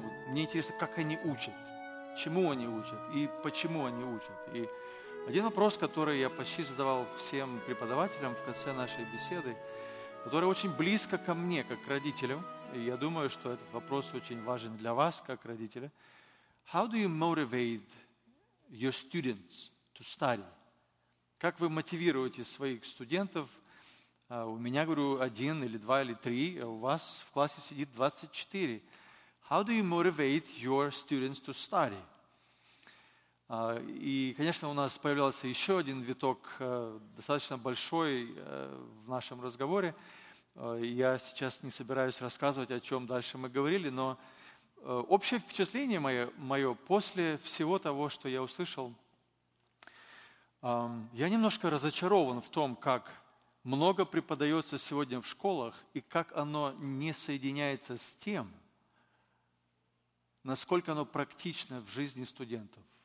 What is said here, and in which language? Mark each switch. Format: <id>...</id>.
<ru>Вот мне интересно, как они учат, чему они учат и почему они учат. И один вопрос, который я почти задавал всем преподавателям в конце нашей беседы, который очень близко ко мне, как к родителям, и я думаю, что этот вопрос очень важен для вас, как родителя.</ru> <en>How do you motivate your students to study?</en> <ru>Как вы мотивируете своих студентов? У меня, говорю, один или два или три, а у вас в классе сидит 24.</ru> <en>How do you motivate your students to study?</en> <ru>И, конечно, у нас появлялся еще один виток, достаточно большой в нашем разговоре. Я сейчас не собираюсь рассказывать, о чем дальше мы говорили, но общее впечатление мое после всего того, что я услышал, я немножко разочарован в том, как много преподается сегодня в школах и как оно не соединяется с тем, насколько оно практично в жизни студентов.</ru>